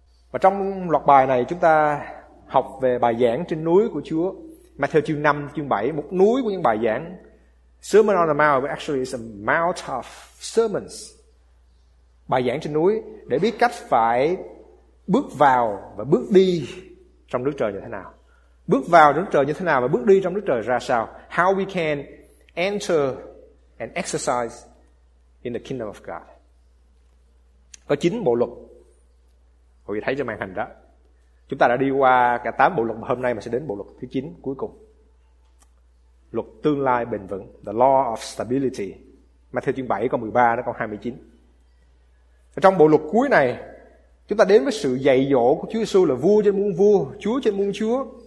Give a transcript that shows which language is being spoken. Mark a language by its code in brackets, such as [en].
[vi] Và trong loạt bài này chúng ta học về bài giảng trên núi của Chúa, Matthew chương 5, chương 7, một núi của những bài giảng, [en] Sermon on the Mount, but actually it's a mount of sermons. [vi] Bài giảng trên núi để biết cách phải bước vào và bước đi trong nước trời như thế nào. Bước vào nước trời như thế nào và bước đi trong nước trời ra sao? [en] How we can enter and exercise in the kingdom of God. [vi] Có 9 bộ luật. Quý vị thấy trên màn hình đó. Chúng ta đã đi qua cả 8 bộ luật, hôm nay mình sẽ đến bộ luật thứ 9 cuối cùng. Luật tương lai bền vững, [en] The Law of Stability. [vi] Matthew chương 7 câu 13 đến câu 29. Ở trong bộ luật cuối này, chúng ta đến với sự dạy dỗ của Chúa Giêsu là vua trên muôn vua, Chúa trên muôn Chúa.